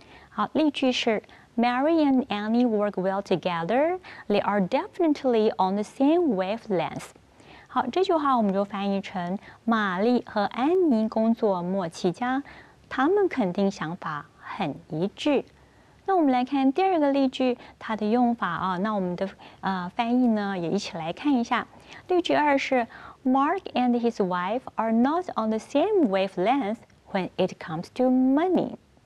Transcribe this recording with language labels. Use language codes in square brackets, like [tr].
[zh] 好，例句是 [en] Mary and Annie work well together. They are definitely on the same wavelength. [zh] 好，这句话我们就翻译成玛丽和安妮工作默契佳，他们肯定想法很一致。那我们来看第二个例句，它的用法啊，那我们的翻译呢也一起来看一下。例句二是 [en] Mark and his wife are not on the same wavelength when it comes to money。